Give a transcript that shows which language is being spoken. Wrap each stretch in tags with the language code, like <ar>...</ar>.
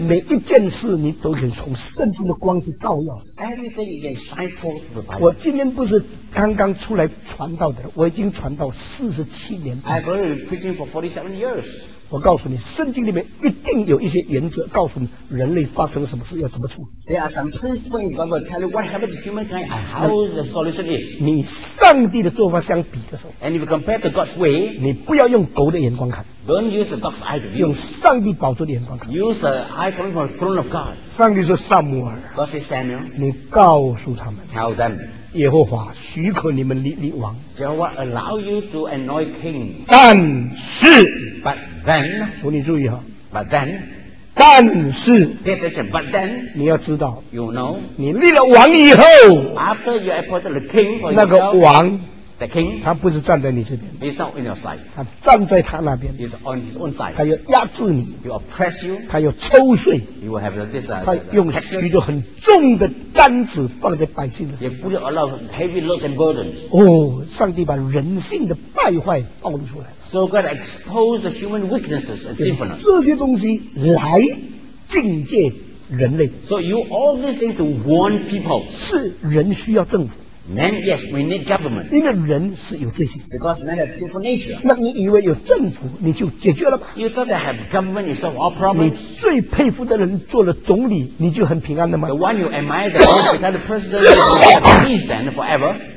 <zh>每一件事你都可以从圣经的光去照耀。</zh> <en>Everything you can shine forth the Bible.</en> <zh>我今天不是刚刚出来传道的，我已经传道47年。</zh> <en>I've been preaching for 47 years.</en> <zh>我告诉你，圣经里面一定有一些原则，告诉你人类发生什么事要怎么处理。</zh> <en>There are some principles in God will tell you what happened to humankind and how the solution is.</en> <zh>你上帝的做法相比的时候</zh> <en>，And if you compare to God's way,</en> <zh>你不要用狗的眼光看。</zh> <en>Don't use the dog's eye to view.</en> <zh>用上帝宝座的眼光看。</zh> <en>Use the eye coming from the throne of God.</en> <zh>上帝是撒母耳。</zh> <en>God says Samuel.</en> <zh>你告诉他们。</zh> <en>Tell them.</en> <zh>耶和华许可你们立立王。</zh> <en>Jehovah allow you to anoint king.</en> <zh>但是。</zh> <en>But then.</en> <zh>求你注意哈。</zh> <en>But then.</en> <zh>但是。</zh> <en>Pay attention. But then.</en> <zh>你要知道。</zh> <en>You know.</en> <zh>你立了王以后。</zh> <en>After you appointed the king for yourself.</en> <zh>那个王。</zh> <en>The king,</en> <zh>他不是站在你这边</zh> <en>he's not on your side.</en> <zh>他站在他那边</zh> <en>he's on his own side.</en> <zh>他要压制你</zh> <en>he'll oppress you.</en> <zh>他要抽税</zh> <en>he will have this,</en> <zh>他用许多很重的担子放在百姓的身上</zh> <en>he will allow heavy loads and burdens.</en> <zh>哦，上帝把人性的败坏暴露出来</zh> <en>So God exposed the human weaknesses and sinfulness.</en> <zh>这些东西来警戒人类</zh> <en>So you all these things to warn people.</en> <zh>是人需要政府</zh> <en>Man, yes, we need government.</en> <zh>因为人是有罪性</zh> <en>Because man has sinful nature.</en> <zh>那你以为有政府你就解决了吗</zh> <en>You thought that have government is all problems.</en> <zh>你最佩服的人做了总理你就很平安了吗</zh> <en>The one you admire the most because the president is at peace then forever.</en>